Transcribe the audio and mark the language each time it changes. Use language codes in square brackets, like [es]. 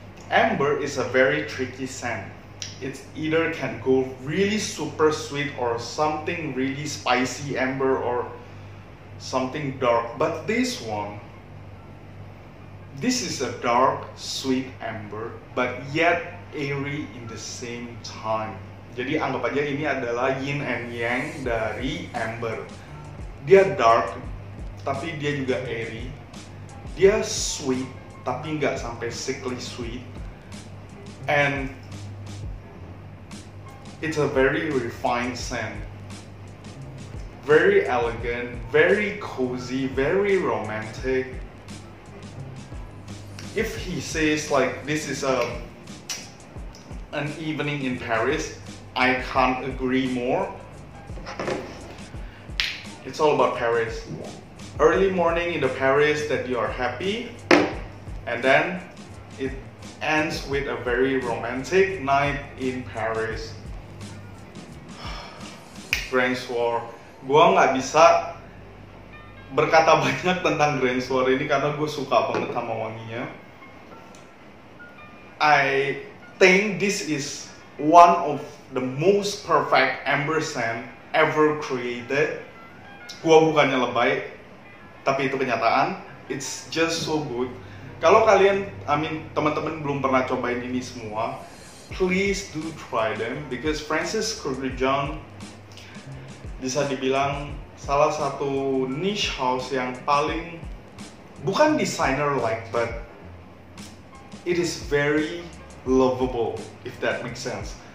[en] Amber is a very tricky scent. It either can go really super sweet or something really spicy amber or something dark. But this one, this is a dark, sweet amber, but yet airy in the same time. [id] Jadi anggap aja ini adalah yin and yang dari amber. Dia dark, tapi dia juga airy. Dia sweet, tapi nggak sampai [en] sickly sweet. And it's a very refined scent, very elegant, very cozy, very romantic. If he says like this is an evening in Paris, I can't agree more. It's all about Paris. Early morning in the Paris that you are happy, and then it ends with a very romantic night in Paris. Grange War. [id] Gua nggak bisa berkata banyak tentang Grange War ini karena gua suka banget sama wanginya. [en] I think this is one of the most perfect amber scent ever created. [id] Gua bukannya lebay, tapi itu kenyataan. [en] It's just so good. [id] Kalau kalian, teman-teman belum pernah cobain ini semua, [en] please do try them, because [id] Francis Kurkdjian bisa dibilang salah satu niche house yang paling, bukan designer like, [en] but it is very lovable, if that makes sense.